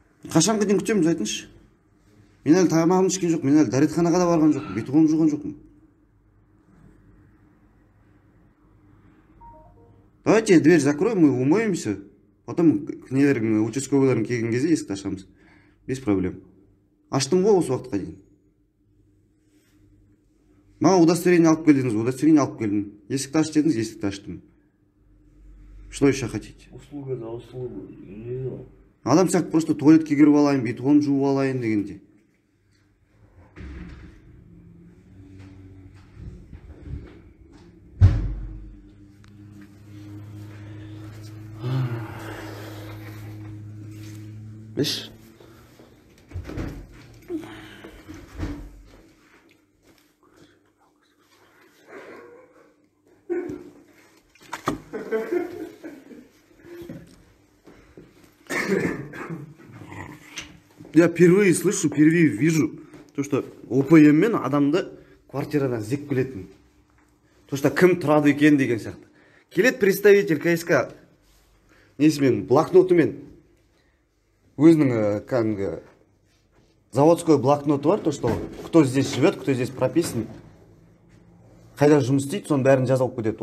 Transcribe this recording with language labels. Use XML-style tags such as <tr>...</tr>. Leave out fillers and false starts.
<kk>Қашанға дейін күтеміз, айтыңызшы? Мен әлі тамағым ішкен жоқ, мен әлі дәретханаға да барған жоқ, бет қолым жуған жоқ.</kk> <ru>Давайте дверь закроем, мы умоемся, потом к нелерге,</ru> <kk>участковыйларын келген кезде есікті ашамыз.</kk> <ru>Без проблем.</ru> <kk>Аштым ғой осы уақытқа дейін. Маған удостоверение алып келдіңіз, удостоверение алып келдім. Есікті аш дедіңіз, есікті аштым.</kk> <ru>Что еще хотите? Услуга за услугу.</ru> <kk>Адам сияқты просто туалетке кіріп алайын, бет қолым жуып алайын дегенде. Біш.</kk> <ru>я впервые слышу, впервые вижу, то что</ru> <kk>ОПМ-мен адамды квартирадан зек билетин.</kk> <ru>То что</ru> <kk>кім тұрады екен деген сияқты. Келет представитель КСК, несімен, блокнотымен, өзінің кәнгі заводской блокноты бар,</kk> <ru>то что кто здесь живет, кто здесь прописан,</ru> <kk>қайда жұмыс істейді, соның бәрін жазалып көдеді.</kk>